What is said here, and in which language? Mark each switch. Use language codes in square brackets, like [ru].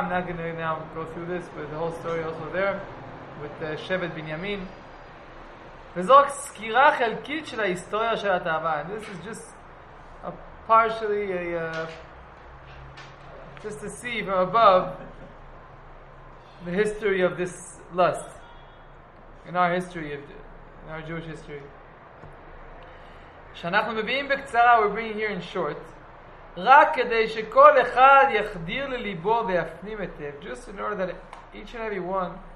[en] I'm not going to now go through this, but the whole story also there with שבט בנימין. [he] וזו רק סקירה חלקית של ההיסטוריה של התאווה. [en] And this is just a partially a just to see from above the history of this lust in our history, in our Jewish history. [he] שאנחנו מביאים בקצרה, [en] we're bringing here in short, [he] רק כדי שכל אחד יחדיר לליבו ויפנים את זה, [en] just in order that each and every one